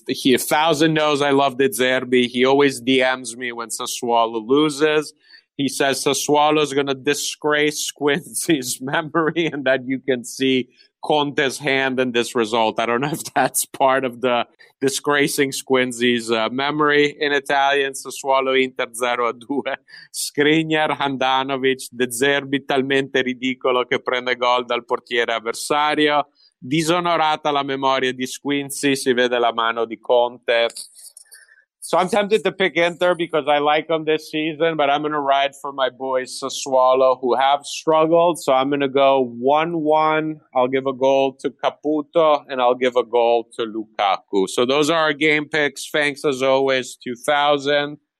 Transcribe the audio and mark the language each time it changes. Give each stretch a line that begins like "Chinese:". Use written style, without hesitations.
English: 1,000 knows I love De Zerbi. He always DMs me when Sassuolo loses. He says Sassuolo is going to disgrace Squinzi's memory, and that you can see Conte's hand in this result. I don't know if that's part of the disgracing Squinzi's memory. In Italian, Sassuolo Inter 0-2.
Italian: Skriniar, Handanovic, De Zerbi talmente ridicolo che prende gol dal portiere avversario. Disonorata la memoria di Squinzi, si vede la mano di Conte.
English: So I'm tempted to pick Inter because I like them this season, but I'm going to ride for my boys Sassuolo, who have struggled. So I'm going to go 1-1. I'll give a goal to Caputo, and I'll give a goal to Lukaku. So those are our game picks. Thanks, as always, 1,000.